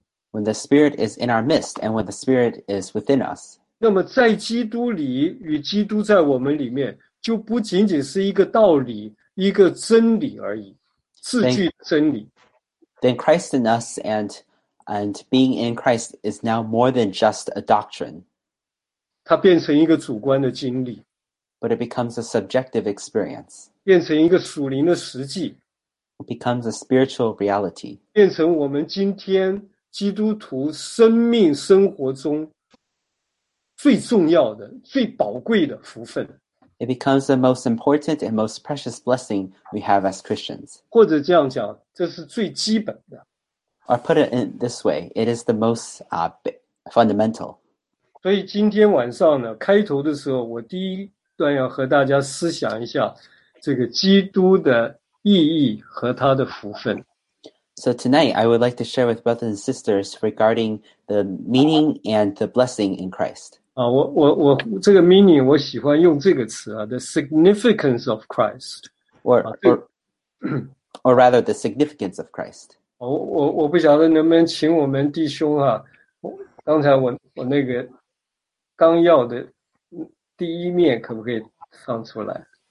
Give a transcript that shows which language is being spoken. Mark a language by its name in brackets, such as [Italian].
[English] When the Spirit is in our midst and when the Spirit is within us. [Chinese] 那么在基督里与基督在我们里面，就不仅仅是一个道理，一个真理而已，字句真理。 [English] Then Christ in us and being in Christ is now more than just a doctrine. [Chinese] 它变成一个主观的经历。 [English] But it becomes a subjective experience. [Chinese] 变成一个属灵的实际。 [English] It becomes a spiritual reality. [Chinese] 变成我们今天基督徒生命生活中最重要的、最宝贵的福分。 [English] It becomes the most important and most precious blessing we have as Christians. [Chinese] 或者这样讲，这是最基本的。 [English] Or put it in this way, it is the most fundamental. [Chinese] 所以今天晚上呢，开头的时候，我第一段要和大家思想一下这个基督的意义和他的福分。 [English] So tonight, I would like to share with brothers and sisters regarding the meaning and the blessing in Christ. [Chinese] 我这个 meaning 我喜欢用这个词啊 ， [English] the significance of Christ， or rather the significance of Christ。 [Chinese] 我不晓得能不能请我们弟兄啊，刚才我那个纲要的第一面可不可以放出来？